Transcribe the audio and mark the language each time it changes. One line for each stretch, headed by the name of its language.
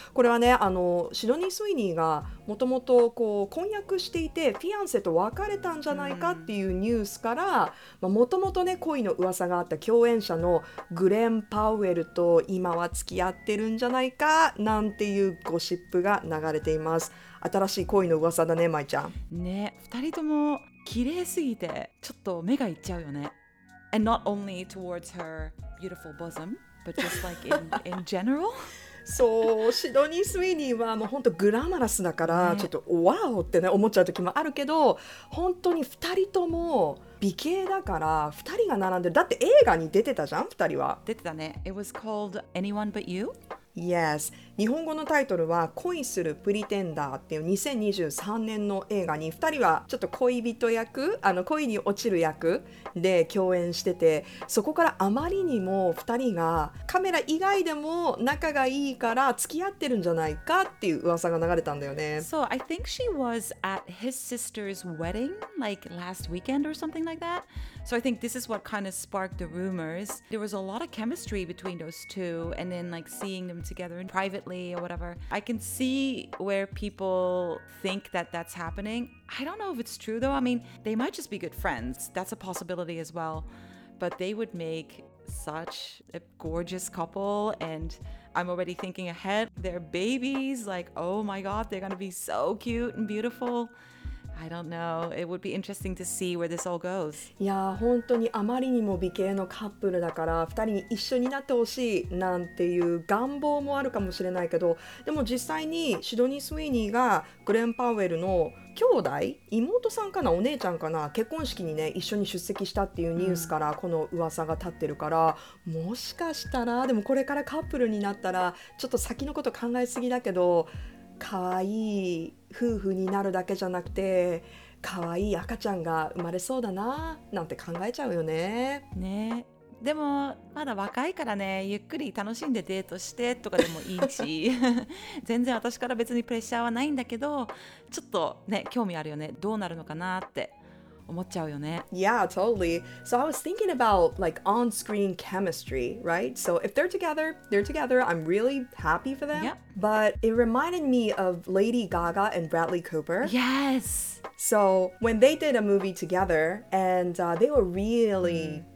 Japanese: これはね、あのシドニー・スウィーニーがもともと婚約していてフィアンセと別れたんじゃないかっていうニュースから、もともとね恋の噂があった共演者のグレン・パウエルと今は付き合ってるんじゃないかなんていうゴシップが流れています。新しい恋の噂だね、舞ちゃん。ね、2人とも綺麗すぎてちょっと目がいっちゃうよね。
English: And not only towards her beautiful bosom but just like in general。
Japanese: そう、シドニー・スウィーニーはもう本当グラマラスだから、ね、ちょっとワオってね思っちゃう時もあるけど、本当に2人とも美形だから2人が並んでる。だって映画に出てたじゃん、2人は。出てたね。
English: It was called Anyone But You。
Japanese: Yes、 日本語のタイトルは恋するプリテンダーっていう2023年の映画に2人はちょっと恋人役、あの恋に落ちる役で共演してて、そこからあまりにも2人がカメラ以外でも仲がいいから付き合ってるんじゃないかっていう噂が流れたんだよね。
English: So I think she was at his sister's wedding like last weekend or something like that. So I think this is what kind of sparked the rumors. There was a lot of chemistry between those two and then like seeingthem together and privately or whatever. I can see where people think that that's happening. I don't know if it's true though. I mean, they might just be good friends. That's a possibility as well. But they would make such a gorgeous couple. And I'm already thinking ahead. Their babies, like, oh my God, they're gonna be so cute and beautiful. I don't know. It would be interesting to see where this all goes.
Japanese: いや、本当にあまりにも美形のカップルだから2人に一緒になってほしいなんていう願望もあるかもしれないけど、でも実際にシドニー・スウィーニーがグレン・パウエルの兄弟、妹さんかな、お姉ちゃんかな、結婚式にね一緒に出席したっていうニュースからこの噂が立ってるから、うん、もしかしたら、でもこれからカップルになったらちょっと先のこと考えすぎだけど、可愛い夫婦になるだけじゃなくて可愛い赤ちゃんが生まれそうだななんて考えちゃうよね。ね、でもまだ若いからね、ゆっくり楽しんでデートしてとかでもいいし全然私から別にプレッシャーはないんだけど、ちょっとね興味あるよね、どうなるのかなって思っちゃうよね。
English: Yeah, totally. So I was thinking about like on-screen chemistry, right? So if they're together, they're together. I'm really happy for them. Yep. But it reminded me of Lady Gaga and Bradley Cooper. Yes! So when they did a movie together and they were really、mm.